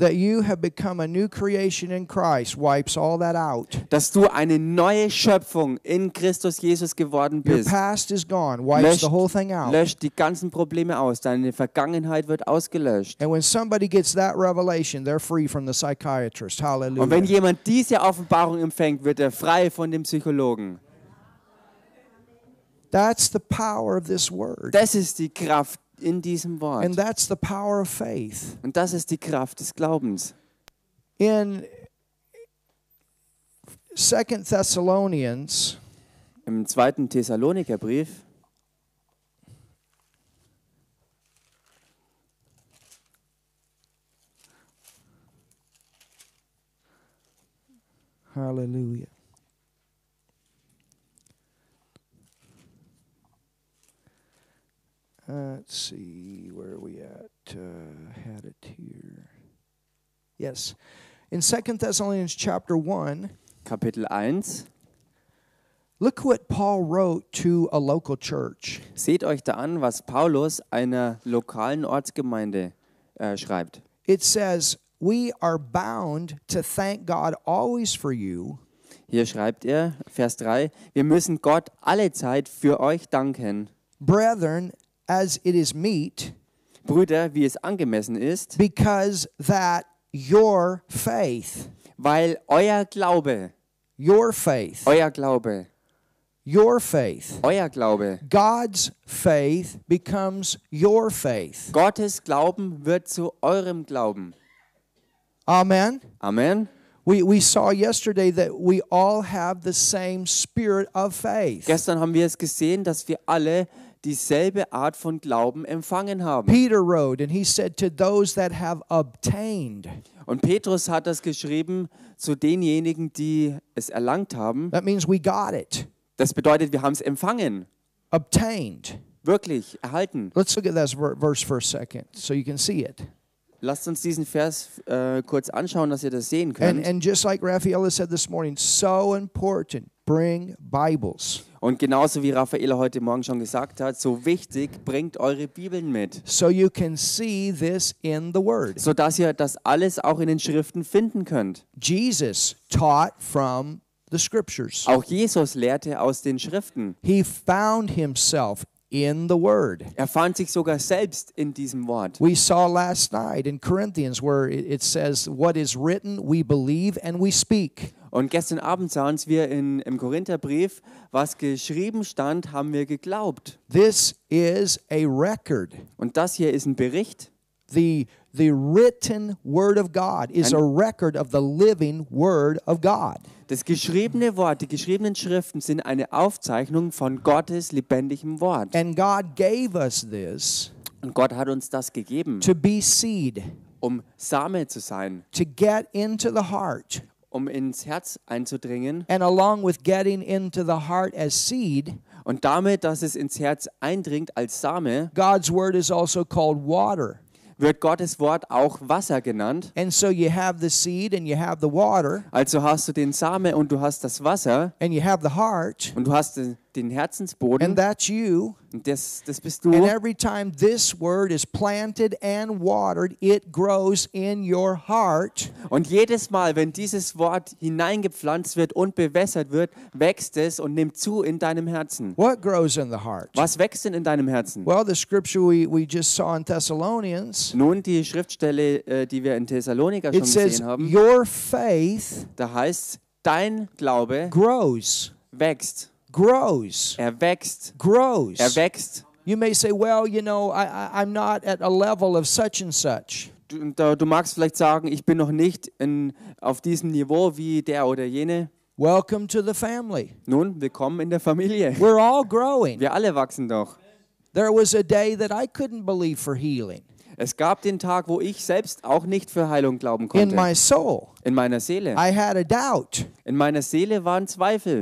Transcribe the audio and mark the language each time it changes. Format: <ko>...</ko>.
<en>That you have become a new creation in Christ wipes all that out.</en> <de>Dass du eine neue Schöpfung in Christus Jesus geworden bist.</de> <en>Your past is gone, wipes the whole thing out.</en> <de>Löscht die ganzen Probleme aus, deine Vergangenheit wird ausgelöscht.</de> <en>And when somebody gets that revelation, they're free from the psychiatrist. Hallelujah.</en> <de>Und wenn jemand diese Offenbarung empfängt, wird er frei von dem Psychologen.</de> <en>That's the power of this word.</en> <de>Das ist die Kraft in diesem Wort.</de> <en>And that's the power of faith.</en> <de>Und das ist die Kraft des Glaubens.</de> <en>In 2 Thessalonians,</en> <de>im 2. Thessalonikerbrief,</de> <en>Hallelujah. Let's see, where are we at? Had it here. Yes. In 2 Thessalonians chapter 1,</en> <de>Kapitel 1,</de> <en>look what Paul wrote to a local church.</en> <de>Seht euch da an, was Paulus einer lokalen Ortsgemeinde schreibt.</de> <en>It says, we are bound to thank God always for you.</en> <de>Hier schreibt er, Vers 3, wir müssen Gott alle Zeit für euch danken.</de> <en>Brethren, as it is meet,</en> <de>Brüder, wie es angemessen ist,</de> <en>because that your faith,</en> <de>weil euer Glaube,</de> <en>your faith,</en> <de>euer Glaube,</de> <en>your faith,</en> <de>euer Glaube,</de> <en>God's faith becomes your faith.</en> <de>Gottes Glauben wird zu eurem Glauben.</de> <en>Amen.</en> <de>Amen.</de> <en>We saw yesterday that we all have the same spirit of faith.</en> <de>Gestern haben wir es gesehen, dass wir alle dieselbe Art von Glauben empfangen haben.</de> <en>Peter wrote and he said to those that have obtained.</en> <de>Und Petrus hat das geschrieben zu denjenigen, die es erlangt haben.</de> <en>That means we got it.</en> <de>Das bedeutet, wir haben es empfangen.</de> <en>Obtained.</en> <de>Wirklich erhalten.</de> <en>Let's look at that verse for a second so you can see it.</en> <de>Lasst uns diesen Vers kurz anschauen, dass ihr das sehen könnt.</de> <en>And just like Raffaella said this morning, so important, bring Bibles.</en> <de>Und genauso wie Raffaella heute Morgen schon gesagt hat, so wichtig, bringt eure Bibeln mit.</de> <en>So you can see this in the word.</en> <de>So dass ihr das alles auch in den Schriften finden könnt.</de> <en>Jesus taught from the scriptures.</en> <de>Auch Jesus lehrte aus den Schriften.</de> <en>He found himself in the word.</en> <de>Er fand sich sogar selbst in diesem Wort.</de> <en>We saw last night in Corinthians where it says what is written we believe and we speak.</en> <de>Und gestern Abend sahen wir im Korintherbrief, was geschrieben stand, haben wir geglaubt.</de> <en>This is a record.</en> <de>Und das hier ist ein Bericht.</de> <en>The written word of God is a record of the living word of God.</en> <de>Das geschriebene Wort, die geschriebenen Schriften sind eine Aufzeichnung von Gottes lebendigem Wort.</de> <en>And God gave us this.</en> <de>Und Gott hat uns das gegeben.</de> <en>To be seed.</en> <de>Um Same zu sein.</de> <en>To get into the heart.</en> <de>Um ins Herz einzudringen.</de> <en>And along with getting into the heart as seed.</en> <de>Und damit, dass es ins Herz eindringt als Same.</de> <en>God's word is also called water.</en> <de>Wird Gottes Wort auch Wasser genannt.</de> <en>And so you have the seed and you have the water.</en> <de>Also hast du den Same und du hast das Wasser.</de> <en>And you have the heart.</en> <de>Und du hast den Herzensboden.</de> <en>And that's you.</en> <de>Und das bist du.</de> <en>And every time this word is planted and watered, it grows in your heart.</en> <de>Und jedes Mal, wenn dieses Wort hineingepflanzt wird und bewässert wird, wächst es und nimmt zu in deinem Herzen.</de> <en>What grows in the heart?</en> <de>Was wächst denn in deinem Herzen?</de> <en>Well, the scripture we just saw in Thessalonians.</en> <de>Nun die Schriftstelle, die wir in Thessaloniker schon gesehen haben.</de> <en>Your faith.</en> <de>Da heißt dein Glaube.</de> <en>Grows.</en> <de>Wächst.</de> <en>Grows.</en> <de>Er wächst.</de> <en>Grows.</en> <de>Er wächst.</de> <en>You may say, well, you know, I'm not at a level of such and such.</en> <de>Du magst vielleicht sagen, ich bin noch nicht auf diesem Niveau wie der oder jene.</de> <en>Welcome to the family.</en> <de>Nun, willkommen in der Familie.</de> <en>We're all growing.</en> <de>Wir alle wachsen doch.</de> <en>There was a day that I couldn't believe for healing.</en> <de>Es gab den Tag, wo ich selbst auch nicht für Heilung glauben konnte.</de> <en>In my soul.</en> <de>In meiner Seele.</de> <en>I had a doubt.</en> <de>In meiner Seele waren Zweifel.</de>